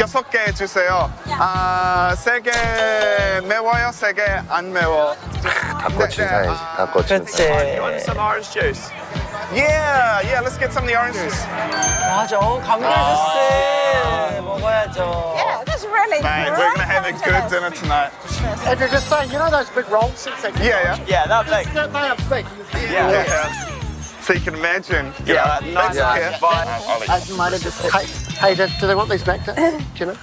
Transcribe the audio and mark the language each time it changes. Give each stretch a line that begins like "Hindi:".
Korean: 여섯 개 주세요. 아, 세 개 매워요? 세 개 안 매워? 바꿔치기 사야지. 바꿔치는 사야지.
English: You want some orange juice? Yeah, yeah, let's get some of the orange juice.
Korean: 맞아, 감귤주스 먹어야죠.
English: Yeah, that's really Man, we're gonna have a good dinner tonight. And you're just saying, you know those big rolls? Yeah, yeah. Yeah, that big. They are big. Yeah, yeah. So you can imagine. Yeah, yeah, nice. Yeah. Yeah. Yeah. Hey, do they want these back to you know?